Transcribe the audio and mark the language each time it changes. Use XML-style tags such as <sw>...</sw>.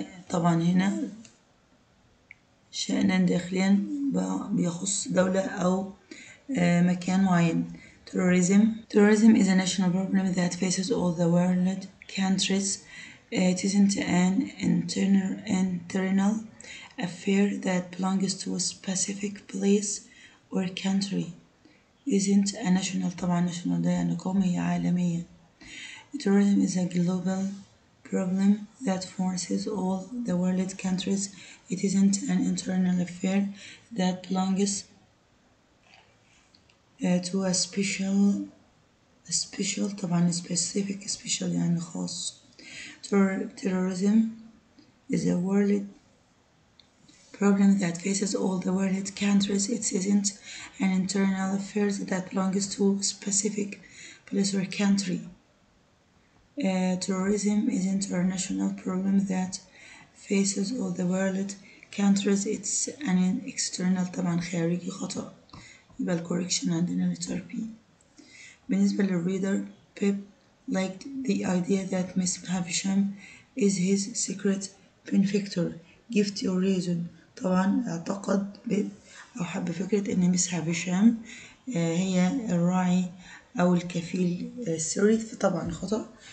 <ar>طبعا هنا شأنا داخليا بيخص دولة أو مكان معين.</ar> <en>Terrorism is a national problem that faces all the world countries. It isn't an internal affair that belongs to a specific place or country. Isn't a national,</en> <ar>طبعا national ده يعني قومي، هي عالمية.</ar> <en>Terrorism is a global problem that forces all the world countries. It isn't an internal affair that belongs to a special</en> <ar>طبعا</ar> <en>specific special</en> <ar>يعني خاص.</ar> <en>Terrorism is a world problem that faces all the world countries. It isn't an internal affair that belongs to a specific place or country. Terrorism is an international problem that faces all the world countries. It's an external</en> <ar>طبعا خارجي خطأ، يبقى الكوركشن عندنا لتر بي. بالنسبة للريدر،</ar> <en>Pip liked the idea that Miss Havisham is his secret benefactor gift or reason.</en> <ar>طبعا اعتقد بيب او حب فكرة ان Miss Havisham هي الراعي او الكفيل السري، فطبعا خطأ.</ar>